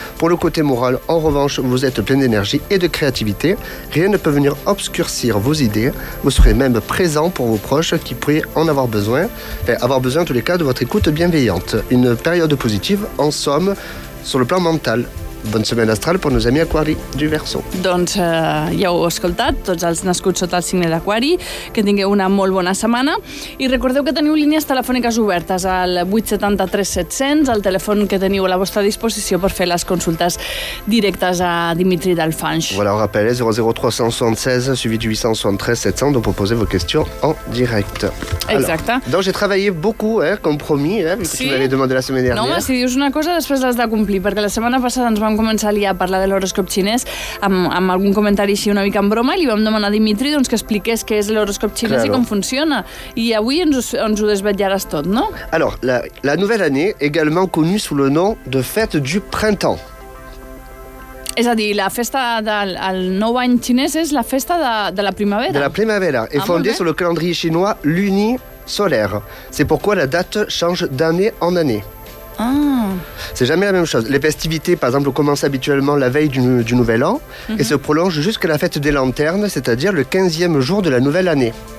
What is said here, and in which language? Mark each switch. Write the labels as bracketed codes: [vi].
[fr] Pour le côté moral, en revanche, vous êtes plein d'énergie et de créativité. Rien ne peut venir obscurcir vos idées. Vous serez même présent pour vos proches qui pourraient en avoir besoin. Enfin, avoir besoin, en tous les cas, de votre écoute bienveillante. Une période positive, en somme, sur le plan mental. [ca] Bona setmana astral per als amics Aquari [fr] du Verseau. [ca] Doncs ja ho heu escoltat, tots els nascuts sota el signe d'Aquari, que tingueu una molt bona setmana. I recordeu que teniu línies telefòniques obertes al 873-700, el telèfon que teniu a la vostra disposició per fer les consultes directes a Dimitri Dalfanch. [fr] Voilà, on rappelle, 00376, suivi du 873-700, donc pour poser vos questions en direct. Exacte. Alors, donc j'ai travaillé beaucoup, comme promis, si tu m'avais demandé la semaine dernière. [ca] No, si dius una cosa, després l'has de complir, perquè la setmana passada ens vam començar a parlar de l'horòscop xinès amb algun comentari així una mica en broma i li vam demanar a Dimitri doncs, que expliqués què és l'horòscop xinès [es] claro. [ca] I com funciona. I avui ens ho desvetllaràs tot, no? [fr] Alors, la nouvelle année, également connue sous le nom de fête du printemps. [ca] És a dir, la festa del nou any xinès és la festa de la primavera. De la primavera. [fr] Et fondée sur le calendrier chinois luni solaire. C'est pourquoi la date change d'année en année. C'est jamais la même chose. Les festivités, par exemple, commencent habituellement la veille du nouvel an et se prolongent jusqu'à la fête des lanternes, c'est-à-dire le 15e jour de la nouvelle année.